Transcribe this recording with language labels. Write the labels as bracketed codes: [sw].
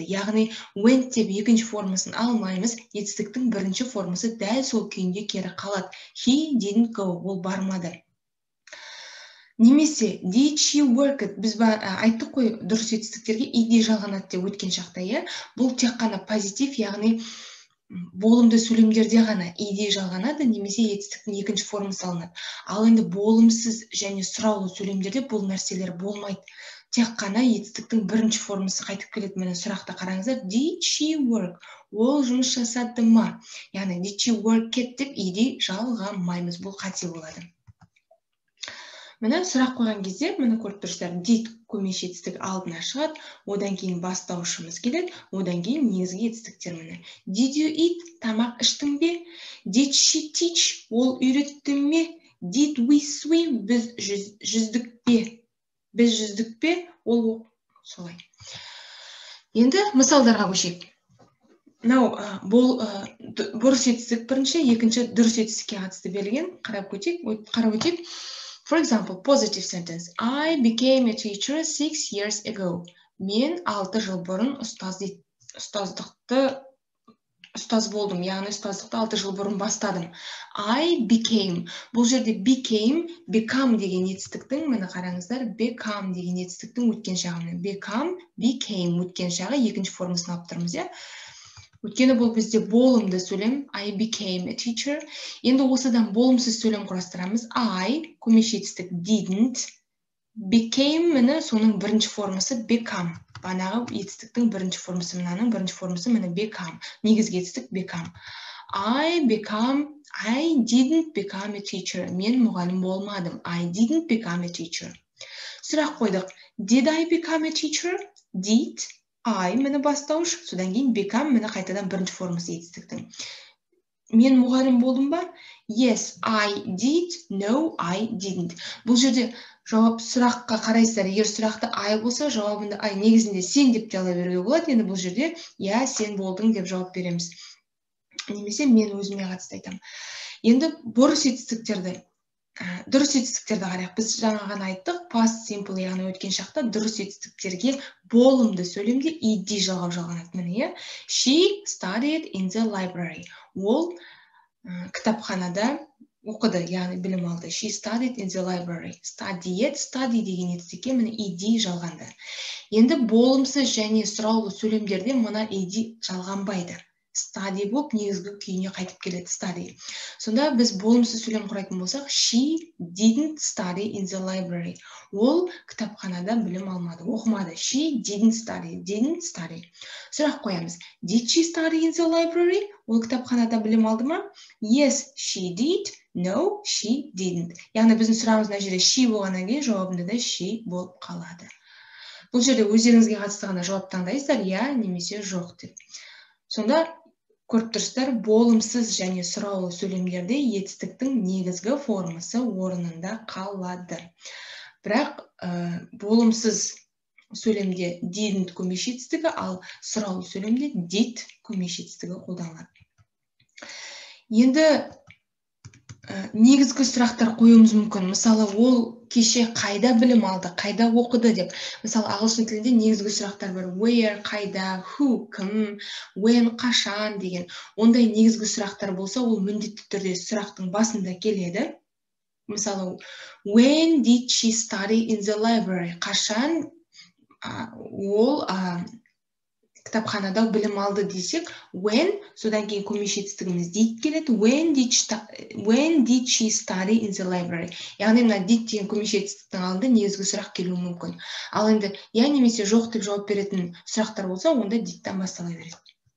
[kk] Яғни went деп екінші формасын алмаймыз. Етістіктің бірінші формасы дәл сол күйінде кері қалады. [en] He didn't go, [kk] ол бармады. [en] Немесе did she work it? [kk] Біз айттық қой, дұрыс етістіктерге ed жалғанады деп өткен шақта, иә. Бұл тек қана позитив, яғни болымды сөйлемдерде ғана ed жалғанады, немесе етістіктің екінші формасы алынады. Ал енді болымсыз және сұраулы сөйлемдерде бұл нәрселер болмайды. Тек қана етістіктің бірінші формасы қайтып келеді. Міне сұрақты қараңыздар. [en] Did she work? [kk] Ол жұмыс жасады ма? Яғни [en] did she work it [kk] деп ed жалғамаймыз. Бұл қате болады. Міне сұрақ қойған кезде, міне көріп тұрсыздар, did көмеш етістік алдына шығады, одан кейін бастаушымыз келеді, одан кейін негізгі етістіктер. Міне [en] did you eat, [kk] тамақ іштің бе? [en] Did she teach, [kk] ол үйретті ме? [en] Did we swim, [kk] біз жүздік пе? біз жүздік пе, ол солай. Енді мысалдарға көшейік. Now, бұл бұрыс етістік бірінші, екінші дұрыс етістікке қатысты берілген, қарап өтейік. [en] For example, positive sentence. I became a teacher 6 years ago. [kk] Мен 6 жыл бұрын ұстаз болдым, яғни ұстаздықты 6 жыл бұрын бастадым. [en] I became. [kk] Бұл жерде become деген етістіктің, мені қараңыздар, become деген етістіктің өткен шағы. Become, became өткен шағы екінші формасын алып тұрмыз, иә? Өткені бұл бізде болымды сөйлем, [en] I became a teacher. [kk] Енді осыдан болымсыз сөйлем құрастырамыз. I, көмеші етістік, didn't. Became міні соның бірінші формасы become. Бағанағы етістіктің бірінші формасы мынаның бірінші формасы міні become. Негізгі етістік become. [en] I didn't become a teacher. [kk] Мен мұғалім болмадым. [en] I didn't become a teacher. [kk] Сұрақ қойдық. [en] Did I become a teacher? Did. [kk] I міні бастауыш, содан кейін become міні қайтадан бірінші формасы етістіктің. Мен мұғалім болдым ба? [en] Yes, I did. No, I didn't. [kk] Бұл жерде жауап сұраққа қарайсыздар, егер сұрақты I болса, жауабында I негізінде сен деп жала беруге болады. Енді бұл жерде сен болдың деп жауап береміз. Немесе мен өзіме қатысты айтамын. Енді бұрыс етістіктерді. Дұрыс етістіктерді қарайық. Біз жаңа ғана айттық, past simple, яғни өткен шақта дұрыс етістіктерге болымды сөйлемде ed жалғау жалғанады. [en] Міне, she studied in the library. [kk] Ол кітапханада оқыды, яғни білім алды. [en] She studied in the library. [kk] Study деген етістікке міне ed жалғанды. Енді болымсыз және сұраулы сөйлемдерде мына ed жалғанбайды. Study болып, негізгі күйіне қайтып келеді study. Сонда біз болымсыз сөйлем құрайтын болсақ, [en] she didn't study in the library. [kk] Ол кітапханада білім алмады, оқымады. [en] She didn't study, didn't study. [kk] Сұрақ қоямыз. [en] Did she study in the library? [kk] Ол кітапханада білім алды ма? [en] Yes, she did. No, she didn't. [kk] Яғни біздің сұрағымыз мына жерде she болғаннан кейін жауабында да she болып қалады. Бұл жерде өздеріңізге қатыстығына жауап таңдайсыздар, немесе жоқ деп. Сонда көріп тұрсыздар, болымсыз және сұраулы сөйлемдерде етістіктің негізгі формасы орнында қалады. Бірақ болымсыз сөйлемде didn't көмеші етістігі, ал сұраулы сөйлемде did көмеші етістігі қолданылады. Енді негізгі сұрақтар қоюымыз мүмкін. Мысалы, ол кеше қайда білім алды, қайда оқыды деп. Мысалы, ағылшын тілінде негізгі сұрақтар бар. Where, қайда, who, кім, when, қашан деген. Ондай негізгі сұрақтар болса, ол міндетті түрде сұрақтың басында келеді. [en] Мысалы, when did she study in the library? [kk] Қашан ол кітапханада білім алды десек, when, содан кейін көмеші етістігіміз did келеді, [en] when did she study in the library? [kk] Яғни, мына did деген көмеші етістіктің алдында негізгі сұрақ келуі мүмкін. Ал енді, немесе жоқ деп жауап беретін сұрақтар болса, онда did-тан бастала береді.